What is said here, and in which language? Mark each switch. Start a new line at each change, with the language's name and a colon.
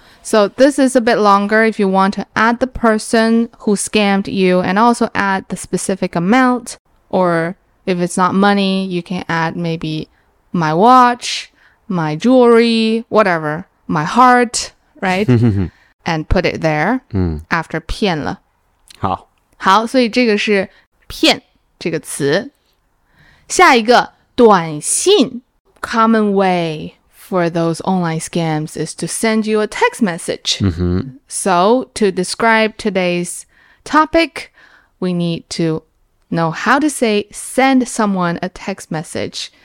English: So this is a bit longer if you want to add the person who scammed you and also add the specific amount. Or if it's not money, you can add maybe my watch, my jewelry, whatever, my heart, right? And put it there after 骗了。
Chinese: 好。好，所以这个是骗这个词。下一个短信。
English: Common way for those online scams is to send you a text message.、 Mm-hmm. So to describe today's topic, we need to know how to say send someone a text message.